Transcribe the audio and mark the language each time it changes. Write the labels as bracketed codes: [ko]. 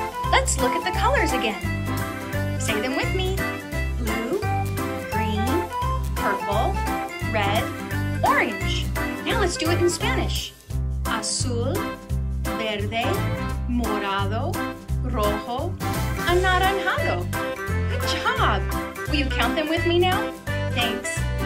[en] Let's look at the colors again. Say them with me. Blue, green, purple, red, orange. Now let's do it in Spanish. [es] Azul, verde, morado, rojo, anaranjado. [en] Good job. Will you count them with me now? Thanks.